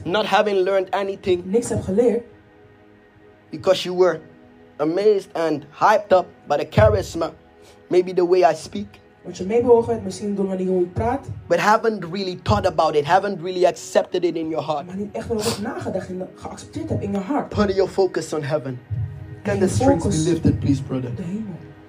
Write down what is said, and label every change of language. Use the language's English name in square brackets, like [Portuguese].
[English] Not having learned anything. [Dutch] Niks heb geleerd. [English] Because you were amazed and hyped up by the charisma, maybe the way I speak. [Dutch] Want je meebewogen hebt, misschien door manier hoe ik praat. [English] But haven't really thought about it, haven't really accepted it in your heart. [Dutch] Maar niet echt erover nagedacht, geaccepteerd heb in je hart. [English] Put your focus on heaven. Can the strings be lifted, please, brother? [Dutch] De hemel.